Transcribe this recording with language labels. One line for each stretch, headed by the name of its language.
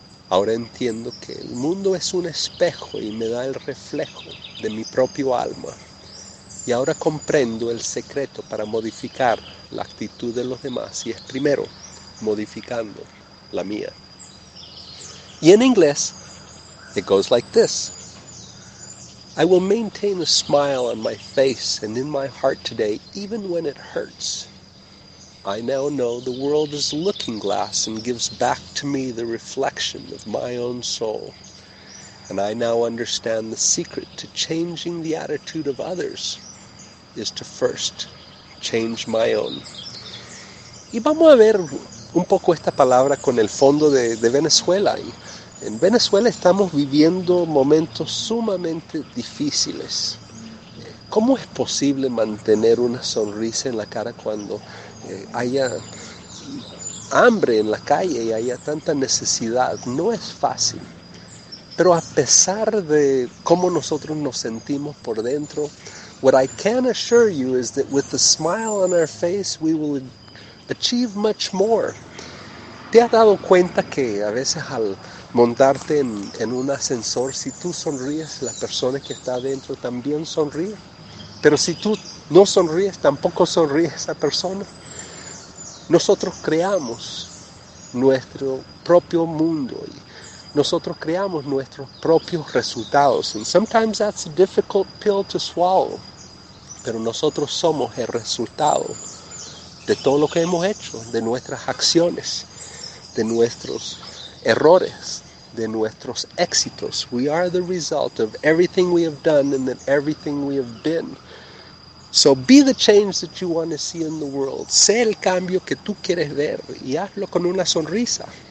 Spanish: Ahora entiendo que el mundo es un espejo y me da el reflejo de mi propio alma. Y ahora comprendo el secreto para modificar la actitud de los demás, y es primero modificando la mía. Y en inglés,
English: it goes like this. I will maintain a smile on my face and in my heart today, even when it hurts. I now know the world is a looking glass and gives back to me the reflection of my own soul. And I now understand the secret to changing the attitude of others is to first change my own.
Spanish: Y vamos a ver un poco esta palabra con el fondo de Venezuela. En Venezuela estamos viviendo momentos sumamente difíciles. ¿Cómo es posible mantener una sonrisa en la cara cuando haya hambre en la calle y haya tanta necesidad? No es fácil. Pero a pesar de cómo nosotros nos sentimos por dentro,
English: what I can assure you is that with a smile on our face, we will achieve much more.
Spanish: ¿Te has dado cuenta que a veces al montarte en un ascensor, si tú sonríes, la persona que está adentro también sonríe? Pero si tú no sonríes, tampoco sonríe esa persona. Nosotros creamos nuestro propio mundo y nosotros creamos nuestros propios resultados.
English: And sometimes that's a difficult pill to swallow.
Spanish: Pero nosotros somos el resultado de todo lo que hemos hecho, de nuestras acciones, de nuestros errores, de nuestros éxitos.
English: We are the result of everything we have done and then everything we have been. So be the change that you want to see in the world.
Spanish: Sé el cambio que tú quieres ver y hazlo con una sonrisa.